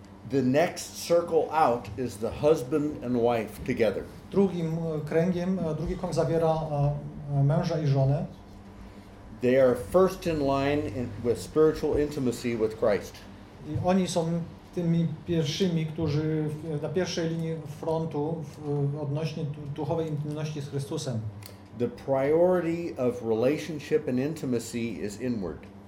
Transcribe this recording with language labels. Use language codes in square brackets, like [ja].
[en] The next circle out is the husband and wife together. [pl] Drugi krąg zawiera męża i żonę. [en] They are first in line in, with spiritual intimacy with Christ. [pl] I oni są tymi pierwszymi, którzy na pierwszej linii frontu odnośnie duchowej intymności z Chrystusem. [en] The priority of relationship and intimacy is inward.